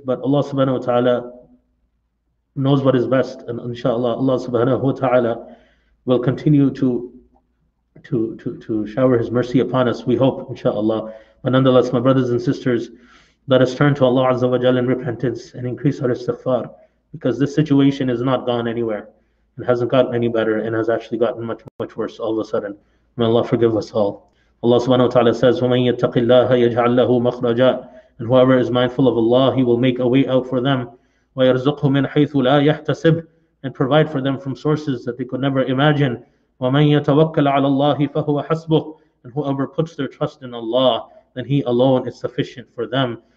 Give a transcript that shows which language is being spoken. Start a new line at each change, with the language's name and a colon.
English: But Allah subhanahu wa ta'ala knows what is best, and inshallah Allah subhanahu wa ta'ala will continue to shower His mercy upon us, we hope, inshallah. But nonetheless, my brothers and sisters, let us turn to Allah azza wa jalla in repentance and increase our istighfar, because this situation is not gone anywhere. It hasn't gotten any better and has actually gotten much, much worse all of a sudden. May Allah forgive us all. Allah subhanahu wa ta'ala says,
Arabic: وَمَن يَتَّقِ اللَّهَ يَجْعَلْ لَهُ مَخْرَجًا.
English: And whoever is mindful of Allah, He will make a way out for them.
Arabic: وَيَرْزُقْهُ مِنْ حَيْثُ لَا يَحْتَسِبْ.
English: And provide for them from sources that they could never imagine.
Arabic: وَمَنْ يَتَوَكَّلْ عَلَى اللَّهِ فَهُوَ حَسْبُهُ.
English: And whoever puts their trust in Allah, then He alone is sufficient for them.